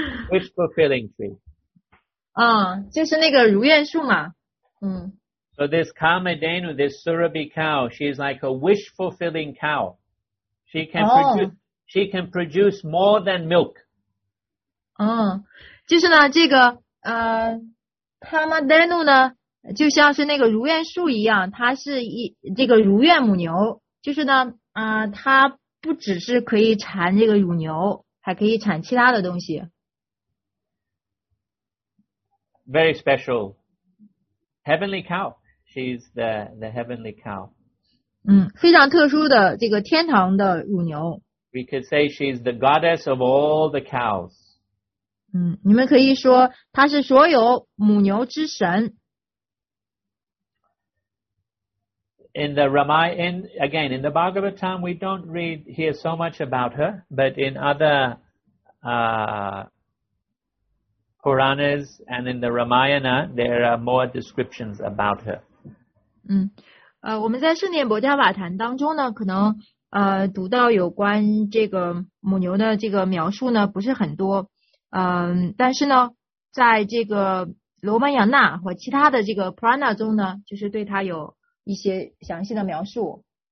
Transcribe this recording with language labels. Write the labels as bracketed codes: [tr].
[en] Wish fulfilling tree. [zh] 就是那个如愿树嘛。 [en] So this Kamadhenu, this Surabhi cow, she's like a wish-fulfilling cow. She can,she can produce more than milk. [zh] 就是呢这个Kamadhenu 呢就像是那个如愿树一样，它是一这个如愿母牛，就是呢它不只是可以产这个乳牛，还可以产其他的东西。 [en] Very special heavenly cow. She's the heavenly cow. [zh] 非常特殊的这个天堂的乳牛。 [en] We could say she's the goddess of all the cows. [zh] 你们可以说她是所有母牛之神。 [en] In the Ramayana, again, in the Bhagavatam, we don't read here so much about her, but in other, Puranas and in the Ramayana, there are more descriptions about her. [zh] 我们在圣殿博迦瓦坛当中呢，可能读到有关这个母牛的这个描述呢不是很多。但是呢，在这个罗曼扬纳或其他的这个 Purana 中呢，就是对它有一些详细的描述。